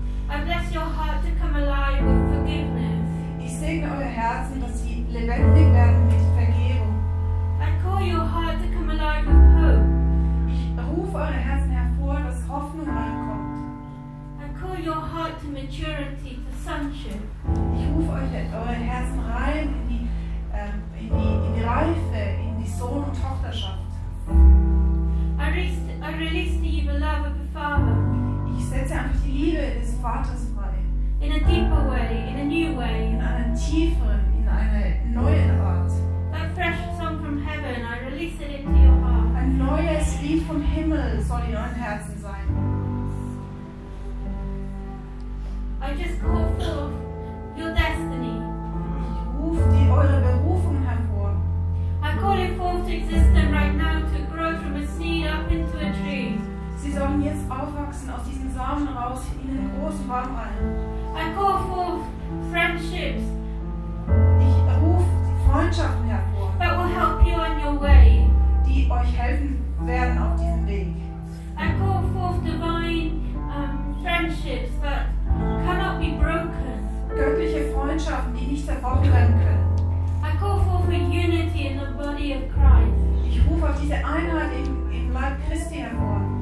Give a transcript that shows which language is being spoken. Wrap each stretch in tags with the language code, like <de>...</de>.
<en>I bless your heart to come alive with forgiveness.</en> <de>Ich segne eure Herzen, dass sie lebendig werden mit Vergebung.</de> <en>I call your heart to come alive with hope.</en> <de>Ich rufe eure Herzen hervor, dass Hoffnung reinkommt.</de> <en>I call your heart to maturity, to sonship.</en> <de>Ich rufe euer Herzen rein in die Reife, in die Sohn- und Tochterschaft.</de> <en>I release the evil love of the Father.</en> <de>Ich setze einfach die Liebe des Vaters frei.</de> <en>In a deeper way, in a new way.</en> <de>In einer tieferen, in einer neuen Art.</de> <en>A fresh song from heaven, I release it into your heart.</en> <de>Ein neues Lied vom Himmel soll in euren Herzen sein.</de> <en>I just call forth your destiny.</en> <de>Ich rufe die eure Berufung hervor.</de> <en>I call it forth to existence right now to grow from a seed up into a tree.</en> <de>Sie sollen jetzt aufwachsen aus diesen Samen raus in den großen Baum ein.</de> <en>I call forth friendships.</en> <de>Ich rufe die Freundschaften hervor.</de> <en>That will help you on your way.</en> <de>Die euch helfen werden auf diesem Weg.</de> <en>I call forth divine friendships that cannot be broken.</en> <de>Göttliche Freundschaften, die nicht zerbrochen werden können.</de> <en>I call forth a unity in the body of Christ.</en> <de>Ich rufe auf diese Einheit im Leib Christi hervor.</de>